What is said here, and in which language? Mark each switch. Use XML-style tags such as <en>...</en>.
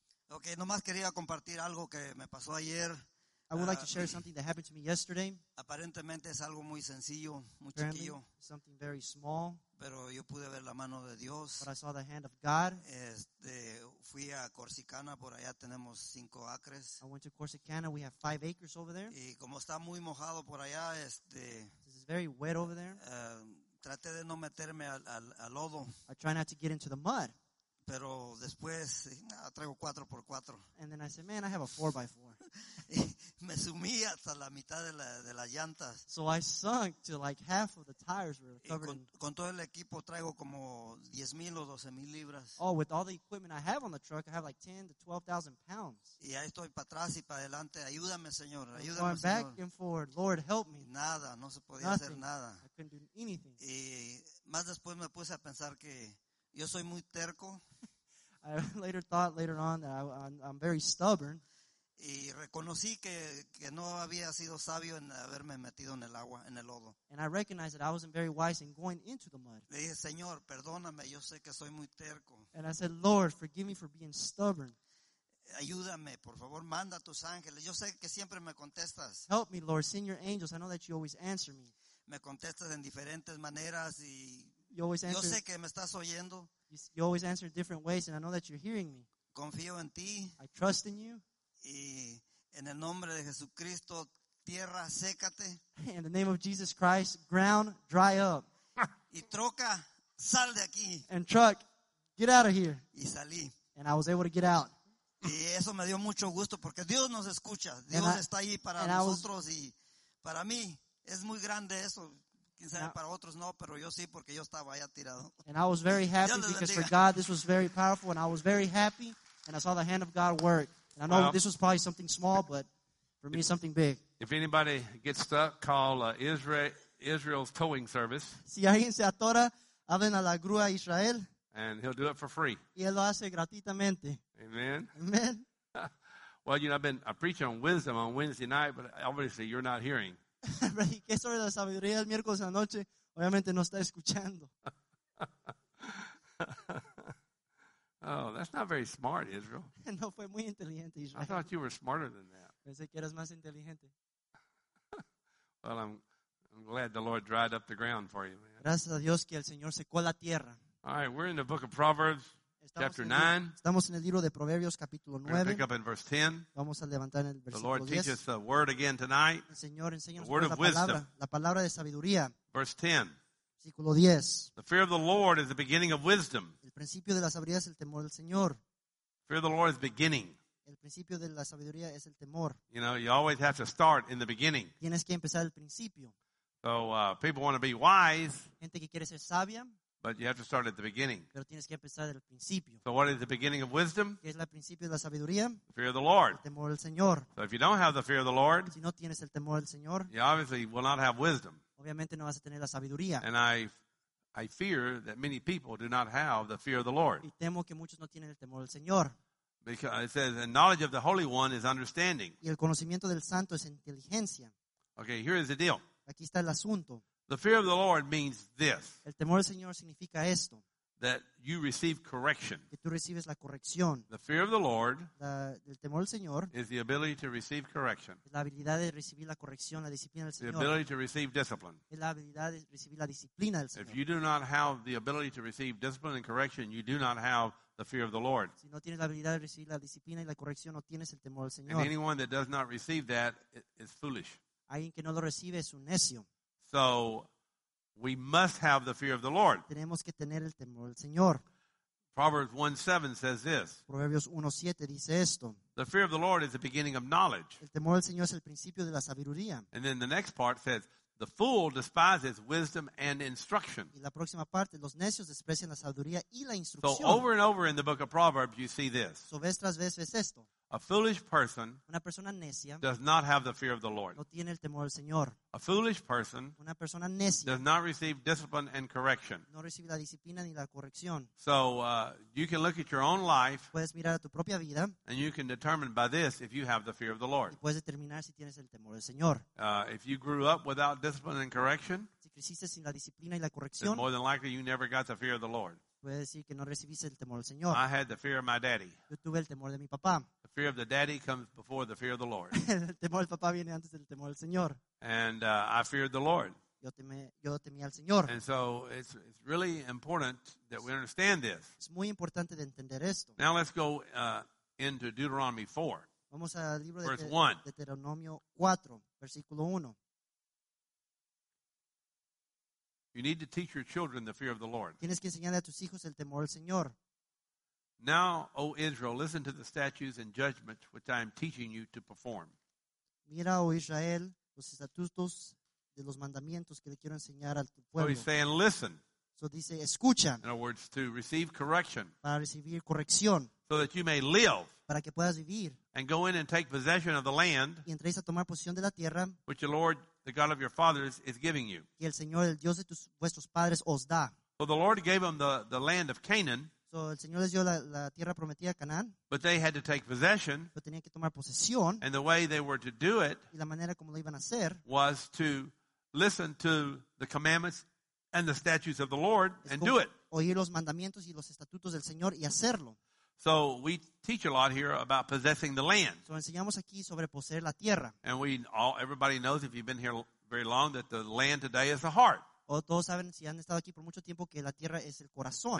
<es>Okay, nomás quería compartir algo que me pasó ayer.</es> <en>I would like to share something that happened to me yesterday.</en> <es>Aparentemente es algo muy sencillo, muy</es> <en>apparently,</en> <es>chiquillo.</es> <en>Something very small.</en> <es>Pero yo pude ver la mano de Dios.</es> <en>But I saw the hand of God.</en> <es>Fui a Corsicana, por allá tenemos 5 acres.</es> <en>I went to Corsicana, we have 5 acres over there.</en> <es>Y como está muy mojado por allá,</es> <en>this is very wet over there.</en> <es>Traté de no meterme al lodo.</es> <en>I try not to get into the mud.</en> <es>Pero después, traigo 4x4.</es> <en>And then I said, man, I have a 4x4.</en> <es>Me sumí hasta la mitad de las llantas.</es> <en>So I sunk to like half of the tires were covered.</en> <es>Con todo el equipo traigo como 10,000 o 12,000 libras.</es> <en>Oh, with all the equipment I have on the truck, I have like 10 to 12,000 pounds.</en> <es>Y ahí estoy para atrás y para adelante. Ayúdame, Señor. Ayúdame,</es> <en>Señor. Going back and forward. Lord, help me.</en> <es>Nada. No se podía hacer nada.</es> <en>I couldn't do anything.</en> <es>Y más después me puse a pensar que yo soy muy terco.</es> <en>I later thought later on that I'm very stubborn.</en> <es>Y reconocí que no había sido sabio en haberme metido en el agua, en el lodo.</es> <en>And I recognized that I wasn't very wise in going into the mud.</en> <es>Le dije, Señor, perdóname, yo sé que soy muy terco.</es> <en>And I said, Lord, forgive me for being stubborn.</en> <es>Ayúdame, por favor, manda a tus ángeles. Yo sé que siempre me contestas.</es> <en>Help me, Lord, send your angels. I know that you always answer me.</en> <es>Me contestas en diferentes maneras y</es> <en>you always answer,</en> <es>yo sé que me estás oyendo.</es> <en>You always answer in different ways, and I know that you're hearing me.</en> <es>Confío en ti.</es> <en>I trust in you.</en> <es>Y en el nombre de Jesucristo, tierra, sécate.</es> <en>In the name of Jesus Christ, ground, dry up.</en> <es>Y troca, sal de aquí.</es> <en>And truck, get out of here.</en> <es>Y salí.</es> <en>And I was able to get out.</en> <es>Y eso me dio mucho gusto porque Dios nos escucha. Dios está ahí para nosotros y para mí es muy grande eso. Quién sabe para otros no, pero yo sí porque yo estaba allá tirado.</es> <en>And I was very happy because for God this was very powerful, and I was very happy, and I saw the hand of God work. And I know this was probably something small, but for me something big. If anybody gets stuck, call Israel's towing service.</en> <es>Si alguien se atora, hablen a la grúa Israel.</es> <en>And he'll do it for free.</en> <es>Y él lo hace gratuitamente.</es> <en>Amen. Amen. Well, you know, I preach on wisdom on Wednesday night, but obviously you're not hearing.</en> <es>¿Qué es sobre la sabiduría el miércoles en la noche? Obviamente no está escuchando.</es> <en>Oh, that's not very smart, Israel.</en> <es>No fue muy inteligente, Israel.</es> <en>I thought you were smarter than that.</en> <es>Pensé que eras más inteligente.</es> <en>Well, I'm glad the Lord dried up the ground for you, man.</en> <es>Gracias a Dios que el Señor secó la tierra.</es> <en>All right, we're in the book of Proverbs, chapter 9.</en> <es>Estamos en el libro de Proverbios, capítulo 9.</es> <en>We're going to pick up in verse 10.</en> <es>Vamos a levantar en el versículo 10.</es> <en>The Lord teaches the word again tonight.</en> <es>El Señor enseña la palabra. La palabra de sabiduría.</es> <en>Verse 10.</en> <es>Versículo 10.</es> <en>The fear of the Lord is the beginning of wisdom.</en> <es>El principio de la sabiduría es el temor del Señor.</es> <en>Fear of the Lord is beginning.</en> <es>El principio de la sabiduría es el temor.</es> <en>You know, you always have to start in the beginning.</en> <es>Tienes que empezar al principio.</es> <en>So people want to be wise.</en> <es>Gente que quiere ser sabia.</es> <en>But you have to start at the beginning.</en> <es>Pero tienes que empezar del principio.</es> <en>So what is the beginning of wisdom?</en> <es>¿Qué es el principio de la sabiduría?</es> <en>The fear of the Lord.</en> <es>El temor del Señor.</es> <en>So if you don't have the fear of the Lord,</en> <es>si no tienes el temor del Señor,</es> <en>you obviously will not have wisdom.</en> <es>Obviamente no vas a tener la sabiduría.</es> <en>And I fear that many people do not have the fear of the Lord.</en> <es>Y temo que muchos no tienen el temor del Señor.</es> <en>Because it says, the knowledge of the Holy One is understanding.</en> <es>Y el conocimiento del Santo es inteligencia.</es> <en>Okay, here is the deal.</en> <es>Aquí está el asunto.</es> <en>The fear of the Lord means this.</en> <es>El temor del Señor significa esto.</es> <en>That you receive correction.</en> <es>Que tú recibes la corrección.</es> <en>The fear of the Lord</en> <es>el temor del Señor</es> <en>is the ability to receive correction.</en> <es>La habilidad de recibir la corrección, la disciplina del Señor.</es> <en>The ability to receive discipline.</en> <es>La habilidad de recibir la disciplina del Señor.</es> <en>If you do not have the ability to receive discipline and correction, you do not have the fear of the Lord.</en> <es>Si no tienes la habilidad de recibir la disciplina y la corrección, no tienes el temor del Señor.</es> <en>And anyone that does not receive that is foolish.</en> <es>Alguien que no lo recibe es un necio.</es> <en>So we must have the fear of the Lord.</en> <es>Tenemos que tener el temor del Señor.</es> <en>Proverbs 1:7 says this.</en> <es>Proverbios 1:7 dice esto.</es> <en>The fear of the Lord is the beginning of knowledge.</en> <es>El temor del Señor es el principio de la sabiduría.</es> <en>And then the next part says, the fool despises wisdom and instruction.</en> <es>Y la próxima parte, los necios desprecian la sabiduría y la instrucción.</es> <en>So over and over in the book of Proverbs, you see this.</en> <es>So vez tras vez ves esto.</es> <en>A foolish person,</en> <es>una persona necia,</es> <en>does not have the fear of the Lord.</en> <es>No tiene el temor del Señor.</es> <en>A foolish person,</en> <es>una persona necia,</es> <en>does not receive discipline and correction.</en> <es>No recibe la disciplina ni la corrección.</es> <en>So you can look at your own life,</en> <es>puedes mirar a tu propia vida,</es> <en>and you can determine by this if you have the fear of the Lord.</en> <es>Y puedes determinar si tienes el temor del Señor.</es> <en>If you grew up without discipline and correction,</en> <es>si creciste sin la disciplina y la corrección,</es> <en>then more than likely you never got the fear of the Lord.</en> <es>Puedes decir que no recibiste el temor del Señor.</es> <en>I had the fear of my daddy.</en> <es>Yo tuve el temor de mi papá.</es> <en>The fear of the daddy comes before the fear of the Lord.</en> <es>El temor del papá viene antes del temor del Señor.</es> <en>And I feared the Lord.</en> <es>Yo temí al Señor.</es> <en>And so it's really important that we understand this.</en> <es>Es muy importante de entender esto.</es> <en>Now let's go into Deuteronomy 4.</en> <es>Vamos al libro</es> <en>verse</en> <es>1. Deuteronomio 4, versículo 1.</es> <en>You need to teach your children the fear of the Lord.</en> <es>Tienes que enseñarle a tus hijos el temor del Señor.</es> <en>Now, O Israel, listen to the statutes and judgments which I am teaching you to perform.</en> <es>Mira, O Israel, los estatutos de los mandamientos que le quiero enseñar al tu pueblo.</es> <en>So he's saying, listen.</en> <es>So dice, escucha.</es> <en>In other words, to receive correction.</en> <es>Para recibir corrección.</es> <en>So that you may live.</en> <es>Para que puedas vivir.</es> <en>And go in and take possession of the land.</en> <es>Y entréis a tomar posesión de la tierra.</es> <en>Which the Lord, the God of your fathers, is giving you.</en> <es>Y el Señor, el Dios de tus, vuestros padres, os da.</es> <en>So the Lord gave them the land of Canaan.</en> <es>So el Señor les dio la tierra prometida, Canaán.</es> <en>But they had to take possession.</en> <es>Pero tenían que tomar posesión.</es> <en>And the way they were to do it.</en> <es>Y la manera como lo iban a hacer.</es> <en>Was to listen to the commandments and the statutes of the Lord and do it.</en> <es>Oír los mandamientos y los estatutos del Señor y hacerlo.</es> <en>So we teach a lot here about possessing the land.</en> <es>So enseñamos aquí sobre poseer la tierra.</es> <en>And everybody knows if you've been here very long that the land today is the heart.</en> <es>O todos saben si han estado aquí por mucho tiempo que la tierra es el corazón.</es>